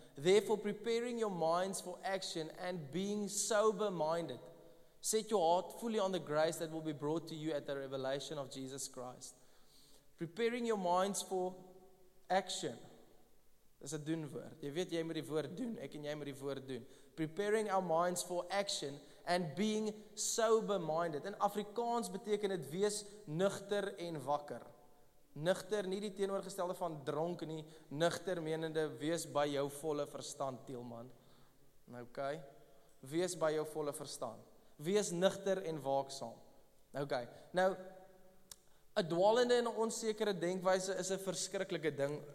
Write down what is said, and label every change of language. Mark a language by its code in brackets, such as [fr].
[en] Therefore preparing your minds for action and being sober minded. Set your heart fully on the grace that will be brought to you at the revelation of Jesus Christ. Preparing your minds for action. [af] Dis 'n doen woord. Jy weet jy moet die woord doen. Ek en jy moet die woord doen. [en] Preparing our minds for action and being sober minded. [af] In Afrikaans beteken dit wees nugter en wakker. Nugter, nie die teenoorgestelde van dronk nie. Nugter menende wees by jou volle verstand, Tielman. Okay. Wees by jou volle verstand. Wees nugter en waaksaam. Okay. Nou 'n dwalende en onsekere denkwyse is 'n verskriklike ding.